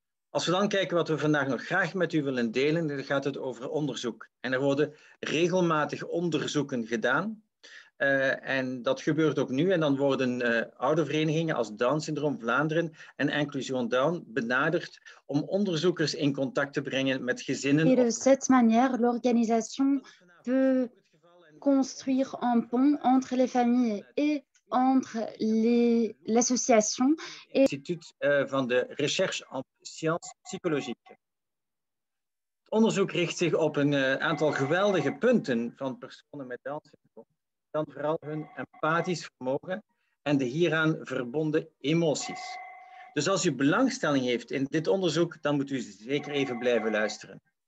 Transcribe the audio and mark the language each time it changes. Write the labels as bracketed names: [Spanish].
[Dutch] Als we dan kijken wat we vandaag nog graag met u willen delen, dan gaat het over onderzoek. En er worden regelmatig onderzoeken gedaan. En dat gebeurt ook nu. En dan worden oude verenigingen als Down Syndroom Vlaanderen en Inclusion Down benaderd om onderzoekers in contact te brengen met gezinnen. [French] Et de cette manière, l'organisation peut construire un pont entre les familles et entre l'association. Et... Instituut van de recherche en sciences psychologiques. [Dutch] Het onderzoek richt zich op een aantal geweldige punten van personen met Down Syndroom. Dan vooral hun empathisch vermogen en de hieraan verbonden emoties. Dus als u belangstelling heeft in dit onderzoek, dan moet u zeker even blijven luisteren.